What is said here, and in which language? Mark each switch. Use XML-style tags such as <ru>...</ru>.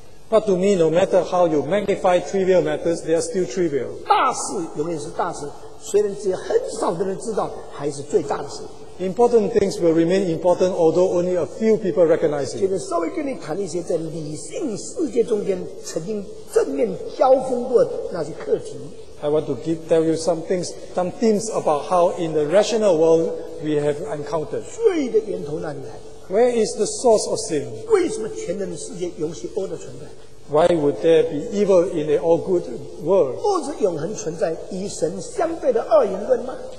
<en>But to me, no matter how you magnify trivial matters, they are still trivial.</en> <zh>大事永远是大事，虽然只有很少的人知道，还是最大的事。</zh> <en>Important things will remain important, although only a few people recognize it.</en> <zh>现在稍微跟你谈一些在理性世界中间曾经正面交锋过的那些课题。</zh> <en>I want to tell you some things, some themes about how in the rational world we have encountered.</en> <zh>罪的源头哪里来？</zh> <en>Where is the source of sin?</en> <zh>为什么全能的世界允许恶的存在？</zh> <en>Why would there be evil in an all good world?</en> <zh>恶是永恒存在，与神相对的二元论吗？</zh>